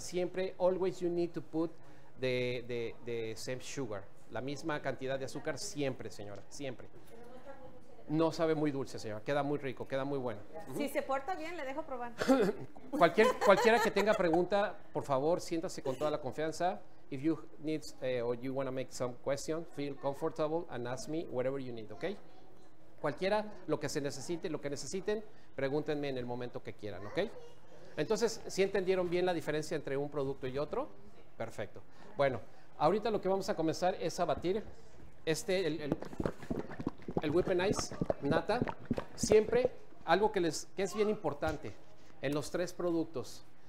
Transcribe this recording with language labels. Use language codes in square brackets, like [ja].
[es] Siempre, [en] always you need to put the same sugar, [es] la misma cantidad de azúcar siempre, señora, siempre. No sabe muy dulce, señora. Queda muy rico, queda muy bueno. Si se porta bien, le dejo probar. cualquiera que tenga pregunta, por favor, siéntase con toda la confianza. [en] If you need or you want to make some question, feel comfortable and ask me whatever you need, ¿ok? [es] Cualquiera, lo que se necesite, lo que necesiten, pregúntenme en el momento que quieran, ¿ok? Entonces, ¿sí entendieron bien la diferencia entre un producto y otro? Sí. Perfecto. Bueno, ahorita lo que vamos a comenzar es a batir el whipping ice, nata, siempre algo que es bien importante en los tres productos.